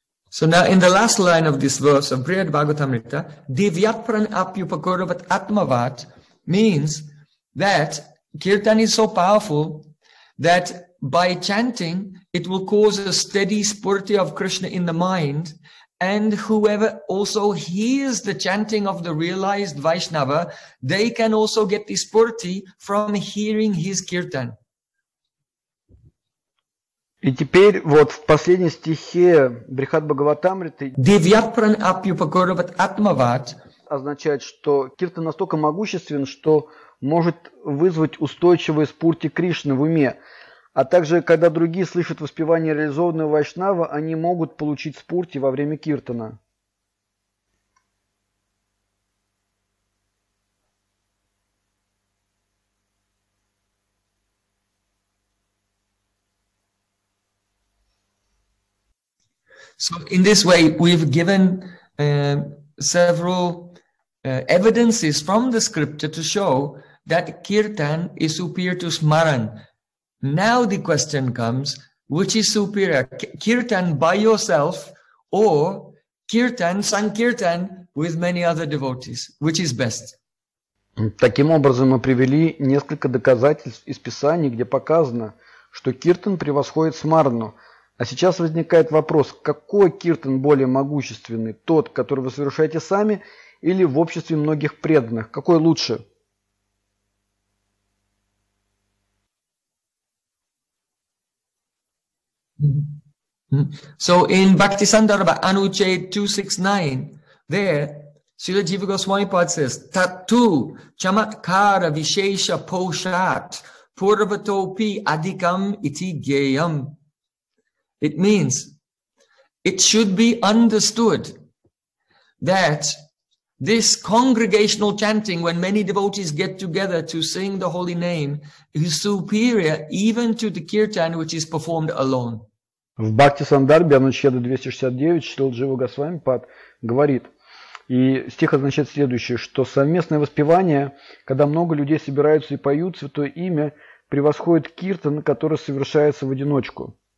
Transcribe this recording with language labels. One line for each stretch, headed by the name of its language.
English: So now in the last line of this verse of Brihad Bhagavatamrita,
Sanskrit: Divyapran Apyupakuravat Atmavat
English: means that kirtan is so powerful that by chanting it will cause a steady spurti of Krishna in the mind, and whoever also hears the chanting of the realized Vaishnava, they can also get the spurti from hearing his kirtan.
Russian: И теперь вот в последнем стихе Брихат Бхагаватамриты
Sanskrit: Дивьяпран апьюпакороват атмават
Russian: означает, что киртан настолько могуществен, что может вызвать устойчивое спурти Кришны в уме. А также, когда другие слышат воспевание реализованного вайшнава, они могут получить спурти во время киртана.
English: So in this way, we've given several evidences from the scripture to show that kirtan is superior to smaran. Now the question comes, which is superior, kirtan by yourself or kirtan, sankirtan with many other devotees? Which is best?
Russian: Таким образом, мы привели несколько доказательств из Писания, где показано, что киртан превосходит смарану. А сейчас возникает вопрос, какой киртан более могущественный, тот, который вы совершаете сами или в обществе многих преданных? Какой лучше?
English: So in Bhaktisandarbha Anuchet 269, there Srila Jiva Goswami Pad says,
Sanskrit: Tattu chamatkara vishesha poshat purvatopi adhikam iti geyam.
English: It means it should be understood that this congregational chanting, when many devotees get together to sing the holy name, is superior even to the kirtan which is performed alone.
Russian: В Бхакти Сандарбе Анучеда 269 Шрила Джива Госвами Пад говорит, и стих означает следующее, что совместное воспевание, когда много людей собираются и поют святое имя, превосходит киртан, который совершается в одиночку.